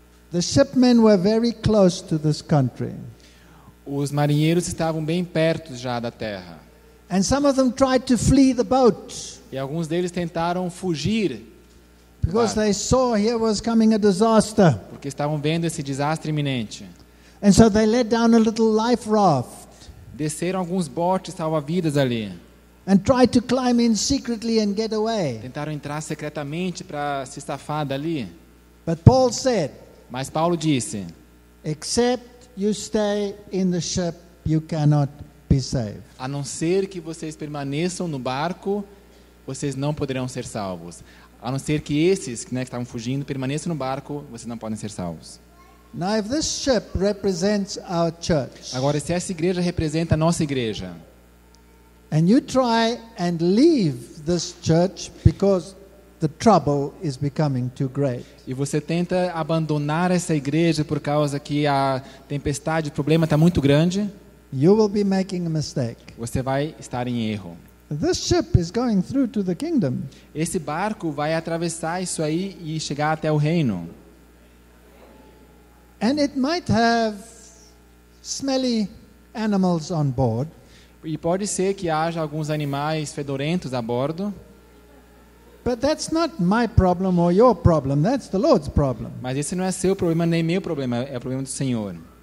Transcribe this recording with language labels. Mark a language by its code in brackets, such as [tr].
[en] The shipmen were very close to this country. [pt] Os marinheiros estavam bem perto já da terra. [en] And some of them tried to flee the boat. [pt] E alguns deles tentaram fugir. [en] Because they saw here was coming a disaster. [pt] Porque estavam vendo esse desastre iminente. [en] And so they let down a little life raft. [pt] Desceram alguns botes salva-vidas ali. [en] And tried to climb in secretly and get away. [pt] Tentaram entrar secretamente para se safar dali. [en] But Paul said, [pt] mas Paulo disse, [en] except you stay in the ship, you cannot be saved. [pt] A não ser que vocês permaneçam no barco, vocês não poderão ser salvos. A não ser que esses, né, que estavam fugindo, permaneçam no barco, vocês não podem ser salvos. [en] Now, if this ship represents our church, [pt] agora, se essa igreja representa a nossa igreja, [en] and you try and leave this church because the trouble is becoming too great. [pt] E você tenta abandonar essa igreja por causa que a tempestade, o problema está muito grande. [en] You will be making a mistake. [pt] Você vai estar em erro. [en] This ship is going through to the kingdom. [pt] Esse barco vai atravessar isso aí e chegar até o reino. [en] And it might have smelly animals on board. [pt] E pode ser que haja alguns animais fedorentos a bordo. [en] But that's not my problem or your problem. That's the Lord's problem. [pt] Mas esse não é seu problema nem meu problema, é o problema do Senhor.